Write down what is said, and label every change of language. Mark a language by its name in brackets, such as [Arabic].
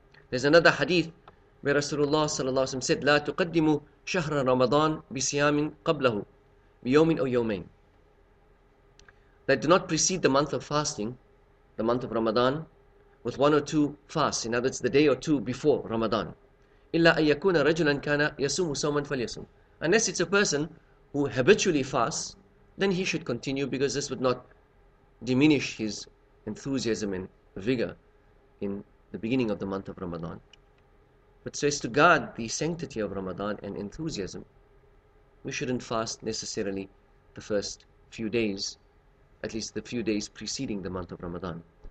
[English] There's another hadith where Rasulullah sallallahu alayhi wa sallam said, [Arabic] لا تقدموا شهر رمضان بصيام قبله بيوم أو يومين. [English] That do not precede the month of fasting, the month of Ramadan, with one or two fasts. In other words, the day or two before Ramadan. [Arabic] إلا أن يكون رجلا كان يصوم صوما فليصوم. [English] Unless it's a person who habitually fasts, then he should continue, because this would not diminish his enthusiasm and vigor in the beginning of the month of Ramadan. But so as to guard the sanctity of Ramadan and enthusiasm, we shouldn't fast necessarily the first few days, at least the few days preceding the month of Ramadan.